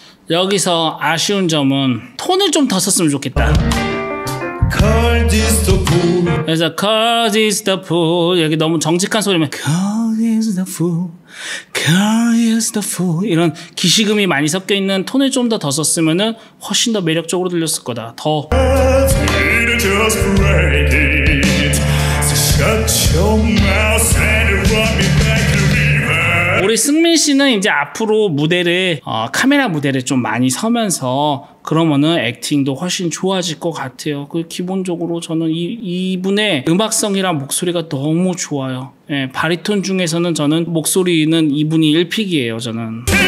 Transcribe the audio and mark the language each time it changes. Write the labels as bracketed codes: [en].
[ko] 여기서 아쉬운 점은 톤을 좀 더 썼으면 좋겠다. [en] Cold is the pool. [ko] 그래서 [en] Cold is the pool. [ko] 여기 너무 정직한 소리면 [en] Cold is the pool. Cold is the pool. [ko] 이런 기시금이 많이 섞여 있는 톤을 좀 더 썼으면은 훨씬 더 매력적으로 들렸을 거다. [en] 더. It just break it. Shut your mouth and run me back. [ko] 우리 승민 씨는 이제 앞으로 무대를 카메라 무대를 좀 많이 서면서 그러면은 액팅도 훨씬 좋아질 것 같아요. 그 기본적으로 저는 이분의 음악성이랑 목소리가 너무 좋아요. 예, 바리톤 중에서는 저는 목소리는 이분이 1픽이에요, 저는.